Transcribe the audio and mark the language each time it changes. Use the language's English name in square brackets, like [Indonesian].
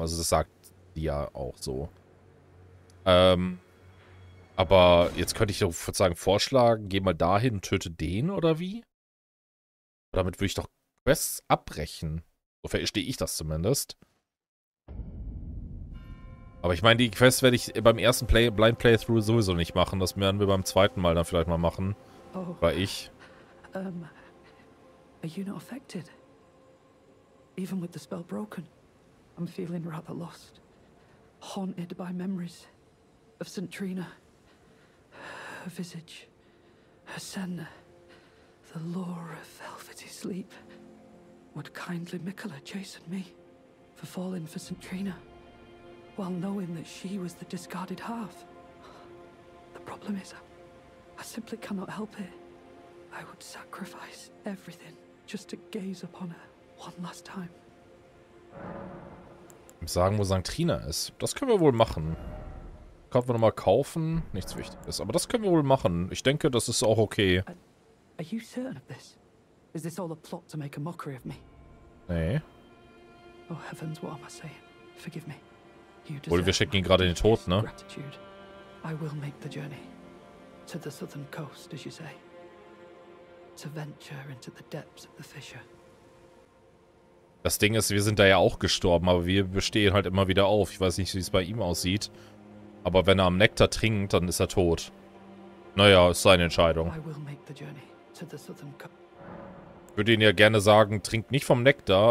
[German] Also das sagt die ja auch so. Aber jetzt könnte ich sozusagen vorschlagen, geh mal dahin und töte den oder wie? Damit würde ich doch Quests abbrechen. So verstehe ich das zumindest. Aber ich meine, die Quests werde ich beim ersten Blind Playthrough sowieso nicht machen. Das werden wir beim zweiten Mal dann vielleicht mal machen. Oh. Weil ich... [English] Are you not affected? Even with the spell broken? I'm feeling rather lost. Haunted by memories of St. Trina. Her visage. Her Senna. The lure of velvety sleep. Would kindly Mikkola chasten me for falling for St. Trina, while knowing that she was the discarded half? The problem is, I simply cannot help it. I would sacrifice everything just to gaze upon her one last time. [German] Sagen, wo St. Trina ist. Das können wir wohl machen. Können wir nochmal kaufen? Nichts Wichtiges. Aber das können wir wohl machen. Ich denke, das ist auch okay. [English] Are you certain of this? Is this all a plot to make a mockery of me? [German] Nee. [English] Oh heavens, what am I saying? Forgive me. [German] Wohl, wir schicken ihn gerade in den Tod, ne? [English] I will make the journey to the southern coast, as you say. To venture into the depths of the fissure. [German] Das Ding ist, wir sind da ja auch gestorben, aber wir bestehen halt immer wieder auf. Ich weiß nicht, wie es bei ihm aussieht. Aber wenn er am Nektar trinkt, dann ist er tot. Naja, ist seine Entscheidung. Ich würde ihn ja gerne sagen, trink nicht vom Nektar.